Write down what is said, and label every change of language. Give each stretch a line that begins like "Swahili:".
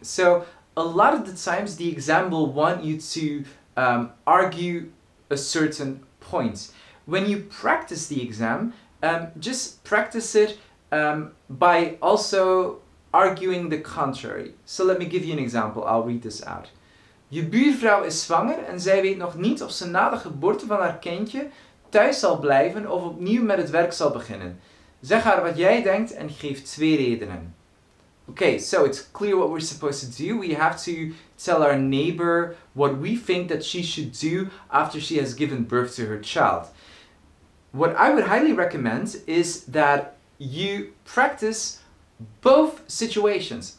English: So a lot of the times the exam will want you to argue a certain point. When you practice the exam, just practice it by also arguing the contrary. So let me give you an example, I'll read this out.
Dutch: Je buurvrouw is zwanger en zij weet nog niet of ze na de geboorte van haar kindje thuis zal blijven of opnieuw met het werk zal beginnen. Zeg haar wat jij denkt en geef twee redenen.
English: Okay, so it's clear what we're supposed to do. We have to tell our neighbor what we think that she should do after she has given birth to her child. What I would highly recommend is that you practice both situations.